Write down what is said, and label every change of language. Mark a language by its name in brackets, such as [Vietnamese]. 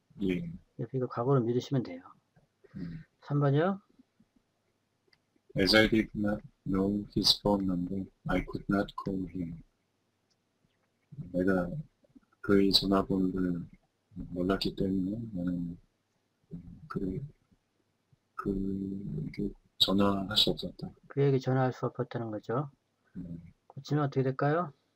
[Korean] 이거 과거로 믿으시면 돼요. 3번이요. [English] As I did not know his phone number, I could not call him. [Korean] 내가 그의 전화번호를 몰랐기 때문에 나는 그에게 전화할 수 없었다. 그에게 전화할 수 없었다는 거죠. 고치면 어떻게 될까요?